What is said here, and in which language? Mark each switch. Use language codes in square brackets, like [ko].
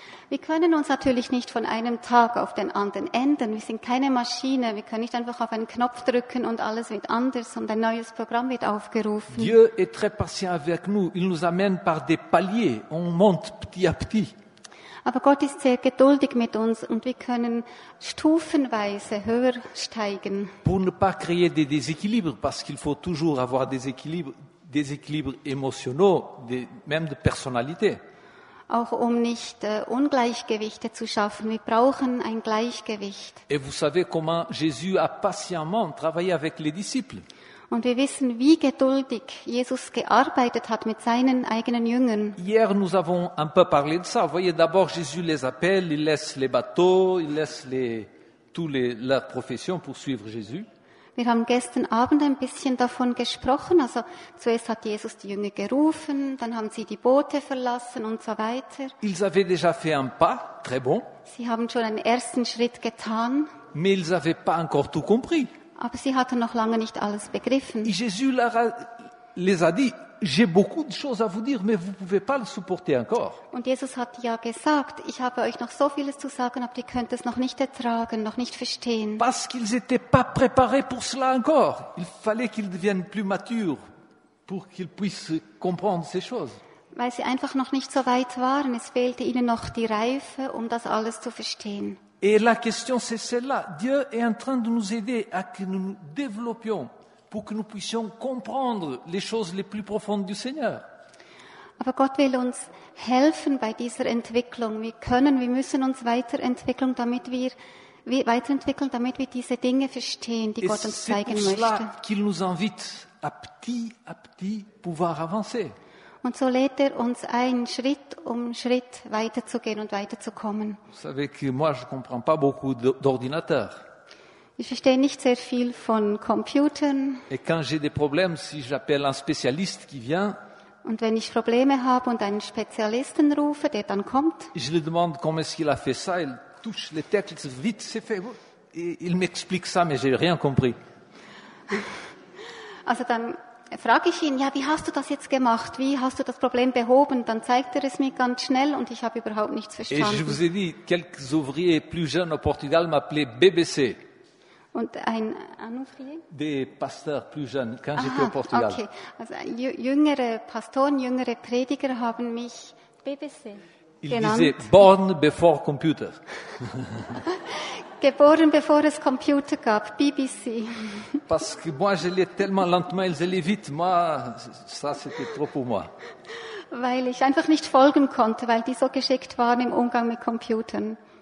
[de] Wir können uns natürlich nicht von einem Tag auf den anderen ändern. Wir sind keine Maschine. Wir können nicht einfach auf einen Knopf drücken und alles wird anders und ein neues Programm wird aufgerufen. [fr] Dieu est très patient avec nous. Il nous amène par des paliers. On monte petit à petit. [de] Aber Gott ist sehr geduldig mit uns und wir können stufenweise höher steigen. [fr] Pour ne pas créer des déséquilibres, parce qu'il faut toujours avoir des équilibres émotionnels, même de personnalité. [de] Auch um nicht Ungleichgewichte zu schaffen. Wir brauchen ein Gleichgewicht. [fr] Et vous savez comment Jésus a patiemment travaillé avec les disciples. [de] Und wir wissen, wie geduldig Jesus gearbeitet hat mit seinen eigenen Jüngern. [fr] Hier, nous avons un peu parlé de ça. Vous voyez, d'abord, Jésus les appelle, il laisse les bateaux, il laisse toutes leurs professions pour suivre Jésus. [de] Wir haben gestern Abend ein bisschen davon gesprochen. Also zuerst hat Jesus die Jünger gerufen, dann haben sie die Boote verlassen und so weiter. [fr] Ils avaient déjà fait un pas, très bon. [de] Sie haben schon einen ersten Schritt getan. [fr] Mais ils avaient pas encore tout compris. [de] Aber sie hatten noch lange nicht alles begriffen. [fr] Et Jésus les a dit, j'ai beaucoup de choses à vous dire, mais vous pouvez pas le supporter encore. [de] Und Jesus hat ja gesagt, ich habe euch noch so vieles zu sagen, aber ihr könnt es noch nicht ertragen, noch nicht verstehen. [fr] Parce qu'ils étaient pas préparés pour cela encore. Il fallait qu'ils deviennent plus matures pour qu'ils puissent comprendre ces choses. [de] Weil sie einfach noch nicht so weit waren, es fehlte ihnen noch die Reife, um das alles zu verstehen. [fr] Et la question c'est celle-là. Dieu est en train de nous aider à que nous nous développions pour que nous puissions comprendre les choses les plus profondes du Seigneur. [de] Aber Gott will uns helfen bei dieser Entwicklung. Wir müssen uns weiterentwickeln, damit wir diese Dinge verstehen, die Gott uns zeigen möchte. [fr] Et c'est pour cela qu'il nous invite à petit pouvoir avancer. [de] Und so lädt uns ein, Schritt um Schritt weiterzugehen und weiterzukommen. [fr] Vous savez que moi, je comprends pas beaucoup d'ordinateurs. [de] Ich verstehe nicht sehr viel von Computern. [fr] Et quand j'ai des problèmes, si j'appelle un spécialiste qui vient. [de] Und wenn ich Probleme habe und einen Spezialisten rufe, der dann kommt. [fr] Je lui demande comment est-ce qu'il a fait ça. Il touche les textes vite, c'est fait. Et il m'explique ça, mais j'ai rien compris. [de] Also dann frage ich ihn, ja, wie hast du das jetzt gemacht? Wie hast du das Problem behoben? Dann zeigt es mir ganz schnell und ich habe überhaupt nichts verstanden. [fr] Et je vous ai dit, quelques ouvriers plus jeunes au Portugal m'appelaient BBC. [de] Und ein ouvrier? [fr] Des pasteurs plus jeunes, quand j'étais au Portugal. Okay. [de] Also jüngere Pastoren, jüngere Prediger haben mich BBC [fr] Il [de] genannt. [fr] Disait, [en] born before computer. [de] Geboren bevor es Computer gab, BBC. [fr] Parce que moi j'allais tellement lentement, ils allaient vite. Moi, ça c'était trop pour moi. [de] Weil ich einfach nicht folgen konnte, weil die so geschickt waren im Umgang mit Computern.